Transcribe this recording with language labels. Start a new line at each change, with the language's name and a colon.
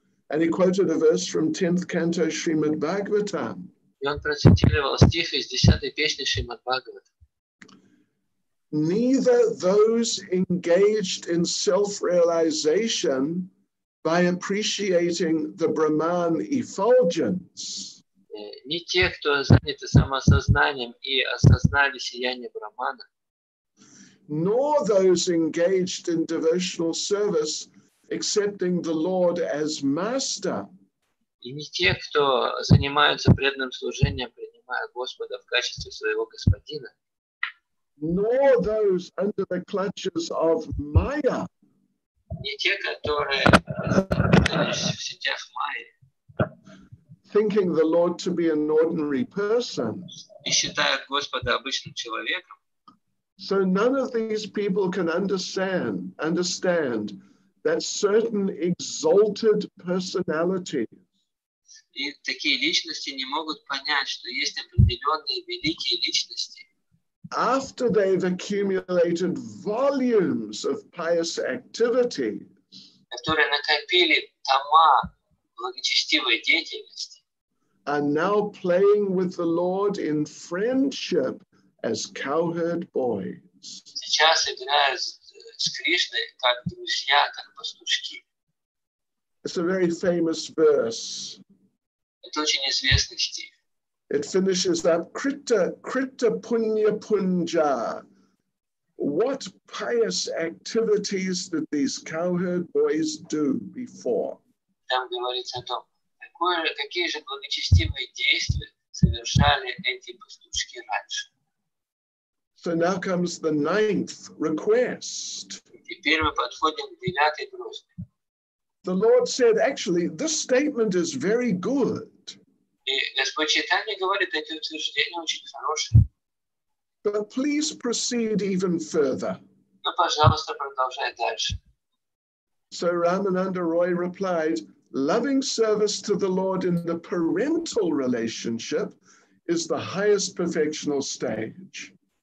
English: And he quoted a verse from 10th canto Srimad Bhagavatam.
Russian: И он процитировал стих из 10-й песни Шримад Бхагаватам.
English: Neither those engaged in self-realization by appreciating the Brahman effulgence.
Russian: Не те, кто заняты самосознанием и осознали сияние Брахмана.
English: Nor those engaged in devotional service, accepting the Lord as master.
Russian: И не те, кто занимаются преданным служением, принимая Господа в качестве своего господина.
English: Nor those under the clutches of Maya.
Russian: Не те, которые в сетях Майи.
English: Thinking the Lord to be an ordinary person.
Russian: И считая Господа обычным человеком.
English: So none of these people can understand that certain exalted personalities.
Russian: И такие личности не могут понять, что есть определенные великие личности.
English: After they've accumulated volumes of pious activities.
Russian: Которые накопили тома благочестивой деятельности.
English: Are now playing with the Lord in friendship. As cowherd boys.
Russian: Сейчас играют с Кришной как друзья, как пастушки.
English: It's a very famous verse.
Russian: Это очень известный стих.
English: It finishes up,
Sanskrit: Kritta Punya Punja.
English: What pious activities did these cowherd boys do before?
Russian: Там говорится о том, какие же благочестивые действия совершали эти пастушки раньше.
English: So now comes the ninth request.
Russian: Теперь мы подходим к девятой просьбе.
English: The Lord said, actually, this statement is very good.
Russian: И Господь Чайтанья говорит, эти утверждения очень хорошие.
English: But please proceed even further.
Russian: Но, пожалуйста, продолжай дальше.
English: So Рамананда Рой replied, loving service to the Lord in the parental relationship is the highest perfectional stage.